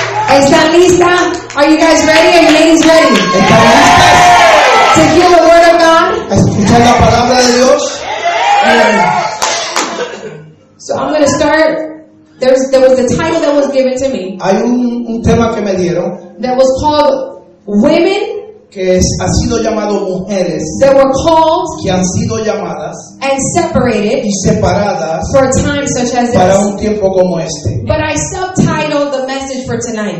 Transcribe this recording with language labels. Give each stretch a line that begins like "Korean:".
Spanish: ¿Están lista?
English: Are you guys ready? Are you ladies ready?
Spanish: ¿Están listas?
English: To hear the word of God.
Spanish: ¿Escuchar la palabra de Dios?
English: So I'm going to start. There was the title that was given to me.
Spanish: Hay un tema que me dieron.
English: That was called Women.
Spanish: Que es, ha sido llamado mujeres.
English: That were called.
Spanish: Que han sido llamadas.
English: And separated.
Spanish: Y separadas.
English: For a time such as this.
Spanish: Para un tiempo como este.
English: But I subtitled the message for tonight.